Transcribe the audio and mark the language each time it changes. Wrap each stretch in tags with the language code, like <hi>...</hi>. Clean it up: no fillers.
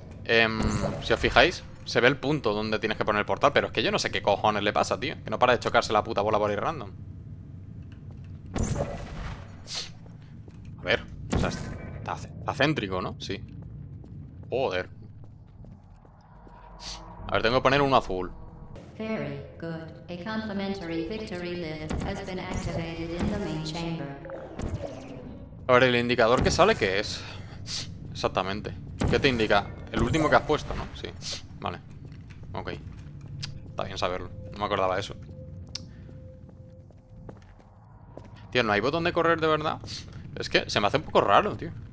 <es>Si os fijáis, se ve el punto donde tienes que poner el portal, pero es que yo no sé qué cojones le pasa, tío. Que no para de chocarse la puta bola por ir random. A ver, o sea, está céntrico, ¿no? Sí. Joder. A ver, tengo que poner uno azul.</es> <en>Very good. A complimentary victory lift has been activated in the main chamber.</en> <es>A ver, el indicador que sale, ¿qué es? Exactamente. ¿Qué te indica? El último que has puesto, ¿no? Sí. Vale. Ok. Está bien saberlo. No me acordaba de eso. Tío, ¿no hay botón de correr de verdad? Es que se me hace un poco raro, tío.</es>